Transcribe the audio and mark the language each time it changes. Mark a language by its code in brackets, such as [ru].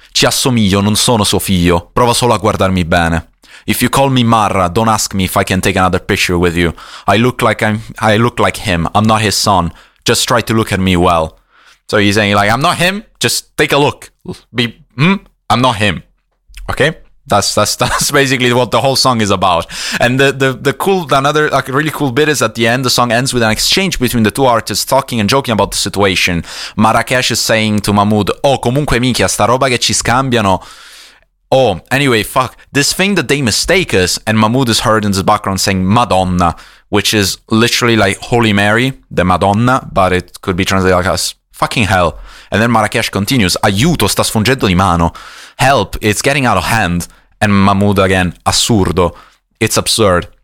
[it] Ci assomiglio, non sono suo figlio, prova solo a guardarmi bene. [en] If you call me Marra, don't ask me if I can take another picture with you. I look like him, I'm not his son, just try to look at me well. So he's saying, like, I'm not him, just take a look. I'm not him. Okay? That's basically what the whole song is about. And another really cool bit is at the end, the song ends with an exchange between the two artists talking and joking about the situation. Marracash is saying to Mahmood, [it] oh, comunque minchia, sta roba che ci scambiano. [en] Oh, anyway, fuck, this thing that they mistake us, and Mahmood is heard in the background saying, Madonna, which is literally like Holy Mary, the Madonna, but it could be translated like us. Fucking hell. And then Marracash continues, [it] aiuto, sta sfuggendo di mano. [en] Help, it's getting out of hand. And Mahmood again, [it] assurdo. [en] It's absurd.